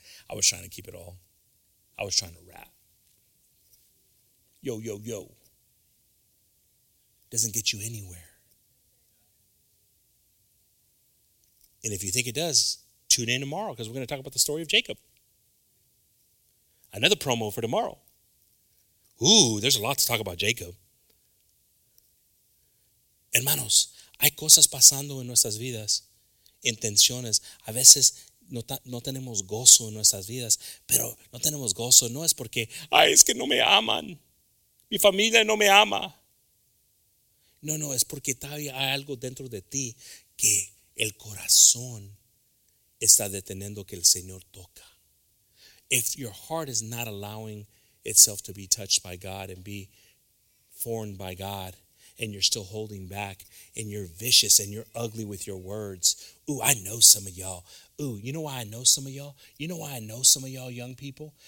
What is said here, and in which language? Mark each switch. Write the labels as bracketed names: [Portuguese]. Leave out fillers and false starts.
[English] I was trying to keep it all. I was trying to rap. Yo. Doesn't get you anywhere. And if you think it does, tune in tomorrow because we're going to talk about the story of Jacob. Another promo for tomorrow. Ooh, there's a lot to talk about Jacob. [Spanish] Hermanos, hay cosas pasando en nuestras vidas, intenciones. A veces no tenemos gozo en nuestras vidas, pero no tenemos gozo. No es porque, ay, es que no me aman. Mi familia no me ama. No, es porque todavía hay algo dentro de ti que el corazón está deteniendo que el Señor toca. [English] If your heart is not allowing itself to be touched by God and be formed by God, and you're still holding back, and you're vicious, and you're ugly with your words. Ooh, I know some of y'all. Ooh, you know why I know some of y'all? You know why I know some of y'all young people?